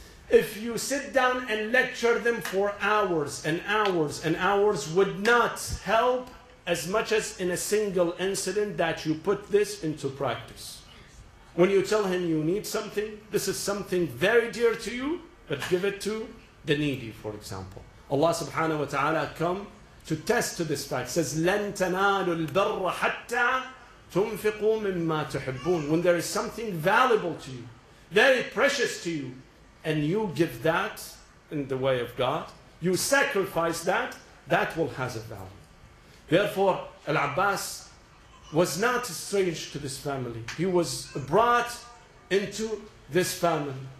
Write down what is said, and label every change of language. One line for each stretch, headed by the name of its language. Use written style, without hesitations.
English: If you sit down and lecture them for hours and hours and hours, would not help as much as in a single incident that you put this into practice. When you tell him you need something, this is something very dear to you, but give it to the needy, for example. Allah subhanahu wa ta'ala come to test to this fact. Says,
Arabic: لَن تَنَالُوا الْبَرَّ حَتَّى تُنْفِقُوا مِمَّا تُحِبُّونَ.
English: When there is something valuable to you, very precious to you, and you give that, in the way of God, you sacrifice that, that will have a value. Therefore, Al-Abbas was not strange to this family. He was brought into this family.